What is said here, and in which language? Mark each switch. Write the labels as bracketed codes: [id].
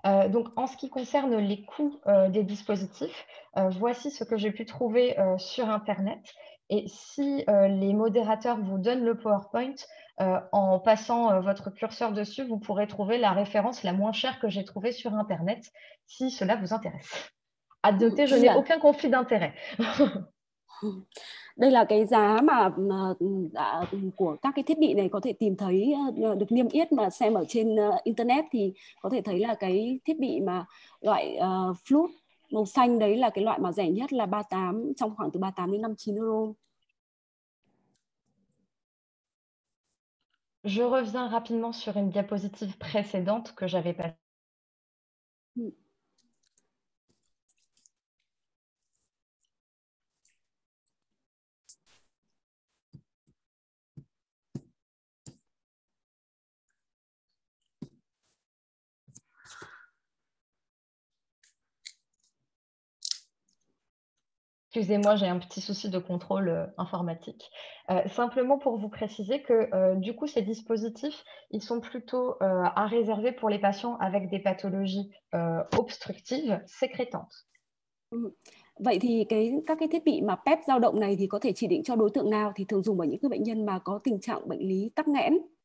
[fr] Donc, en ce qui concerne les coûts des dispositifs, voici ce que j'ai pu trouver sur Internet. Et si les modérateurs vous donnent le PowerPoint, en passant votre curseur dessus, vous pourrez trouver la référence la moins chère que j'ai trouvée sur Internet, si cela vous intéresse. À noter, je n'ai aucun conflit d'intérêt. [vi] Đây là cái giá mà của các cái thiết bị này có thể tìm thấy được niêm yết mà xem ở trên internet thì có thể thấy là cái thiết bị mà loại flute màu xanh đấy là cái loại mà rẻ nhất là 38 trong khoảng từ 38 đến 59 euro. [fr] Je reviens rapidement sur une diapositive précédente que j'avais passée. Excusez-moi, j'ai un petit souci de contrôle informatique. Simplement pour vous préciser que du coup, ces dispositifs, ils sont plutôt à réserver pour les patients avec des pathologies obstructives sécrétantes. [vi] Vậy thì các cái thiết bị mà pep dao động này thì có thể chỉ định cho đối tượng nào thì thường dùng ở những cái bệnh nhân mà có tình trạng bệnh lý tắc nghẽn.